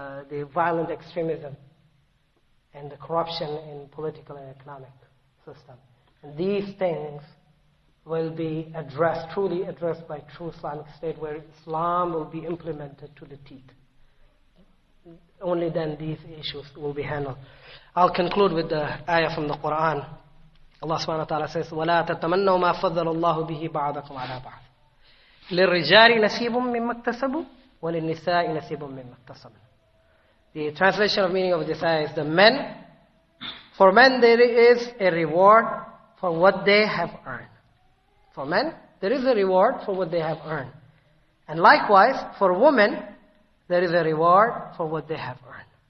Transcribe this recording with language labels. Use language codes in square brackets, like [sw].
[en] The violent extremism and the corruption in political and economic system. And these things will be addressed, truly addressed by true Islamic state, where Islam will be implemented to the teeth. Only then these issues will be handled. I'll conclude with the ayah from the Quran. [ar] Allah subhanahu wa ta'ala says, وَلَا تَتَّمَنَّوا مَا فَضَّلَ اللَّهُ بِهِ بَعْضَكُمْ عَلَىٰ بَعْضٍ لِلرِّجَارِ نَسِيبٌ مِّمَّا اكْتَسَبُوا وَلِلنِّسَاءِ نَسِيبٌ مِّمَّا اكْتَسَبْنَ. [en] The translation of meaning of this ayah is for men there is a reward for what they have earned. For men, there is a reward for what they have earned. And likewise, for women, there is a reward for what they have earned.